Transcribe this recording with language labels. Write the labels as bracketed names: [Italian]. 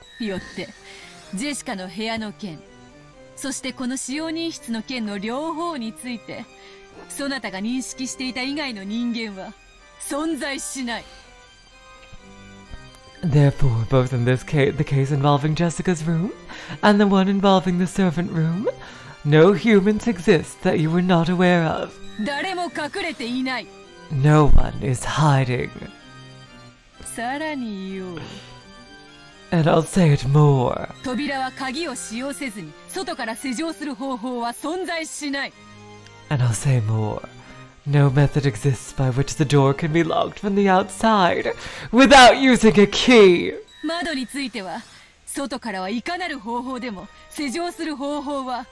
[Japanese] よって、ジェシカの部屋の件、そしてこの使用人室の件の両方について、そなたが認識していた以外の人間は存在しない。 [English] Therefore, both in this case, the case involving Jessica's room and the one involving the servant room, no humans exist that you were not aware of. [Japanese] 誰も隠れていない。 [English] No one is hiding. [Japanese] さらに言おう。 [English] And I'll say it more. [Japanese] 扉は鍵を使用せずに外から施錠する方法は存在しない。 [English] And I'll say more. No method exists by which the door can be locked from the outside without using a key. [Japanese] 窓については、外からはいかなる方法でも施錠する方法は